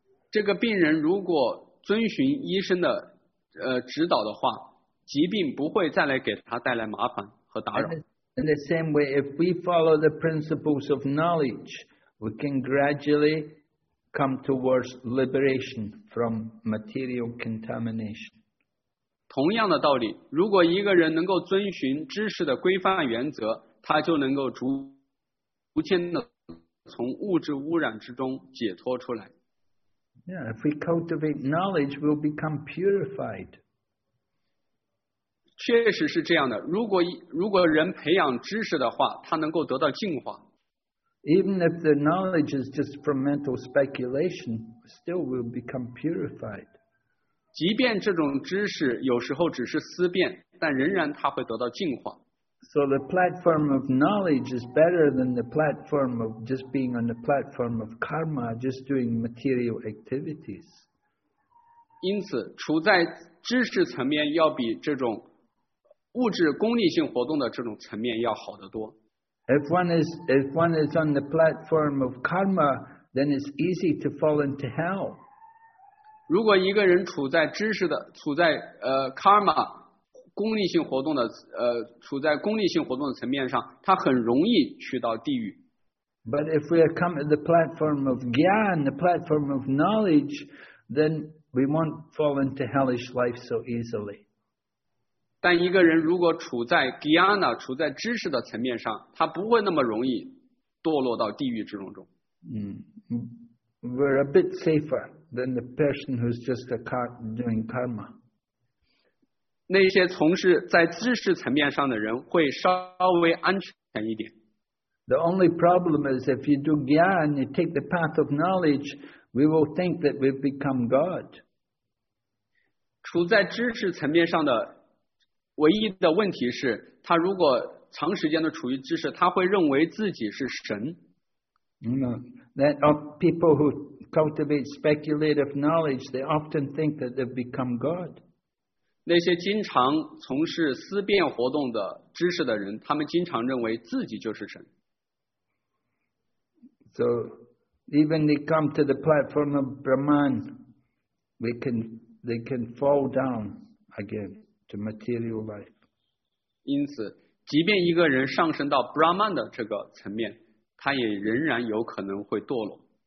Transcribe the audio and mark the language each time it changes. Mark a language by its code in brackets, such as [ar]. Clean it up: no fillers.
[zh] 这个病人如果遵循医生的指导的话，疾病不会再来给他带来麻烦和打扰。 [en] In the same way, if we follow the principles of knowledge, we can gradually come towards liberation from material contamination. [zh] 同样的道理，如果一个人能够遵循知识的规范原则，他就能够逐渐的从物质污染之中解脱出来。 [en] Yeah, if we cultivate knowledge, we'll become purified. [zh] 确实是这样的，如果人培养知识的话，他能够得到净化。 [en] Even if the knowledge is just from mental speculation, still we'll become purified. [zh] 即便这种知识有时候只是思辨，但仍然它会得到净化。 [en] So the platform of knowledge is better than the platform of just being on the platform of karma, just doing material activities. [zh] 因此，处在知识层面要比这种物质功利性活动的这种层面要好得多。 [en] If one is on the platform of karma, then it's easy to fall into hell. [zh] 如果一个人处在知识的处在karma 功利性活动的处在功利性活动的层面上，他很容易去到地狱。 [en] But if we come to the platform of gyan, the platform of knowledge, then we won't fall into hellish life so easily. [zh] 但一个人如果处在 gyana 处在知识的层面上，他不会那么容易堕落到地狱之中。 [en] 嗯、we're a bit safer. Than the person who's just doing karma. [zh] 那些从事在知识层面上的人会稍微安全一点。 [en] The only problem is if you do gyan and you take the path of knowledge, we will think that we've become God. [zh] 处在知识层面上的唯一的问题是，他如果长时间的处于知识，他会认为自己是神。 [en] That of people who cultivate speculative knowledge, they often think that they've become God. [zh] 那些经常从事思辨活动的知识的人，他们经常认为自己就是神。 [en] So, even they come to the platform of Brahman, they can fall down again to material life. [zh] 因此，即便一个人上升到 Brahman 的这个层面，他也仍然有可能会堕落。